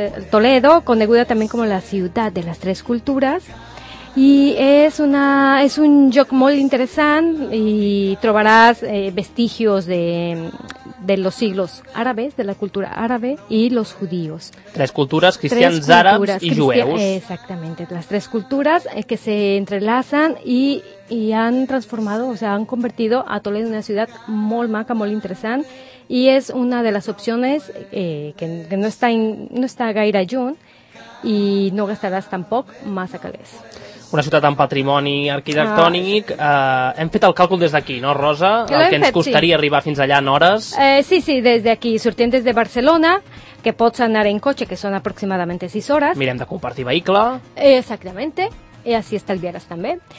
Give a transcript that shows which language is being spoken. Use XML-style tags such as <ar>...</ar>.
<ca>Toledo, coneguda també com la ciutat de les tres cultures, i és un lloc molt interessant i trobaràs</ca> <es>vestigios de los siglos árabes, de la cultura árabe y los judíos. Tres culturas, cristians, tres culturas, árabes y jueus. Exactamente, las tres culturas que se entrelazan y han transformado, o sea, han convertido a Toledo en una ciudad</es> <ca>molt maca, molt interessant,</ca> <es>y es una de las opciones que no está</es> <ca>gaire lluny</ca> <es>y no gastarás</es> <ca>tampoc massa calés. Una ciutat amb patrimoni arquitectònic. Hem fet el càlcul des d'aquí, no, Rosa? Que el que ens costaria fet, arribar fins allà en hores. Sí, sí, des d'aquí. Sortint des de Barcelona, que pots anar en cotxe, que són aproximadament 6 hores. Mirem de compartir vehicle. Exactament. I així estalviaràs també.</ca>